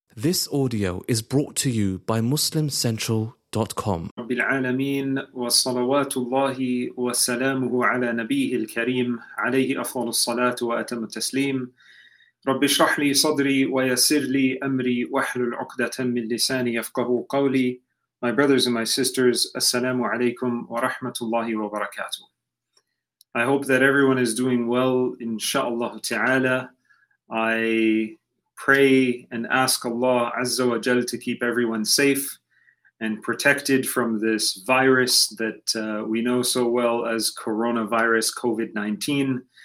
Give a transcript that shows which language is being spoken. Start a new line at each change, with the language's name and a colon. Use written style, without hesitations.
English: This audio is brought to you by MuslimCentral.com.
Arabic: رب العالمين والصلوات الله وسلامه على نبيه الكريم عليه أفضل الصلاة وأتم التسليم. رب اشرح لي صدري ويسر لي أمري واحلل عقدة من لساني يفقه قولي.
English: My brothers and my sisters, assalamu alaikum wa rahmatullahi wa barakatuh. I hope that everyone is doing well, inshaAllah ta'ala. I pray and ask Allah Azza wa Jal to keep everyone safe and protected from this virus that we know so well as coronavirus COVID-19.